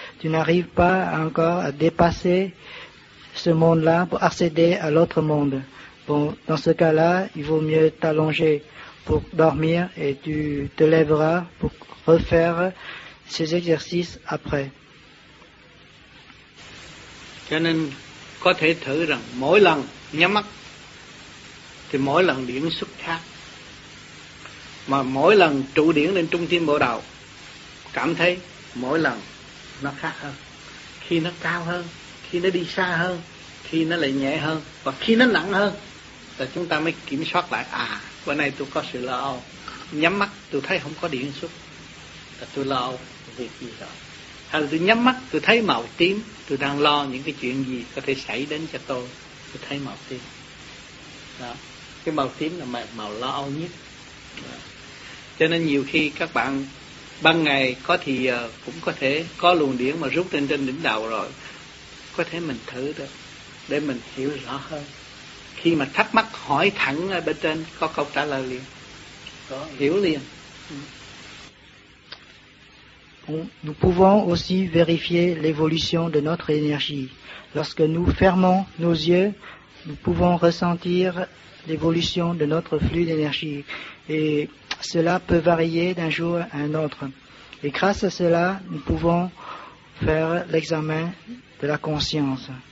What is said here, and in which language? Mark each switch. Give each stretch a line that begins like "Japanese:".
French: Tu n'arrives pas encore à dépasser ce monde-là pour accéder à l'autre monde. Bon, dans ce cas-là, il vaut mieux t'allonger pour dormir et tu te lèveras pour refaire ces exercices après.
Vietnamese: Cho nên có thể thử rằng mỗi lần nhắm mắt thì mỗi lần điển xuất khác. Mà mỗi lần trụ điển lên trung tâm bộ đầu, cảm thấy mỗi lần nó khác hơn. Khi nó cao hơn, khi nó đi xa hơn, khi nó lại nhẹ hơn, và khi nó nặng hơn, là chúng ta mới kiểm soát lại, à, bữa nay tôi có sự lo âu, nhắm mắt tôi thấy không có điển xuất, là tôi lo âu việc gì rồi. Hay là tôi nhắm mắt, tôi thấy màu tím, tôi đang lo những cái chuyện gì có thể xảy đến cho tôi thấy màu tím. Đó. Cái màu tím là màu lo âu nhất. Đó. Cho nên nhiều khi các bạn ban ngày có thì giờ cũng có thể có luồng điển mà rút lên trên đỉnh đầu rồi. Có thể mình thử được để mình hiểu rõ hơn. Khi mà thắc mắc hỏi thẳng ở bên trên có câu trả lời liền. Có. Hiểu liền.
French: Nous pouvons aussi vérifier l'évolution de notre énergie. Lorsque nous fermons nos yeux, nous pouvons ressentir l'évolution de notre flux d'énergie. Et cela peut varier d'un jour à un autre. Et grâce à cela, nous pouvons faire l'examen de la conscience.